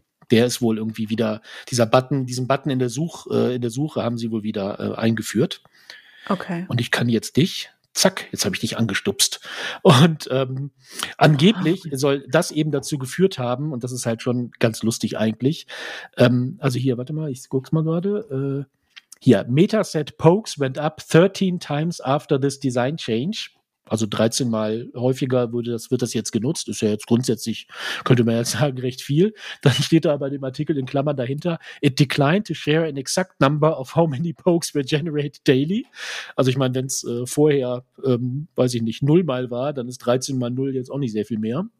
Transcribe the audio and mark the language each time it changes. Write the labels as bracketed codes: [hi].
[de] Der ist wohl irgendwie wieder, diesen Button in der Suche haben sie wohl wieder eingeführt. Okay. Und ich kann jetzt dich Zack, jetzt habe ich dich angestupst. Und angeblich soll das eben dazu geführt haben, und das ist halt schon ganz lustig eigentlich. Also hier, warte mal, ich guck's mal gerade. Hier, [en] Meta said pokes went up 13 times after this design change. [de] Also 13 Mal häufiger wird das jetzt genutzt. Ist ja jetzt grundsätzlich, könnte man ja sagen, recht viel. Dann steht da bei dem Artikel in Klammern dahinter, [en] it declined to share an exact number of how many pokes were generated daily. [de] Also ich meine, wenn es vorher, weiß ich nicht, 0 Mal war, dann ist 13 mal 0 jetzt auch nicht sehr viel mehr.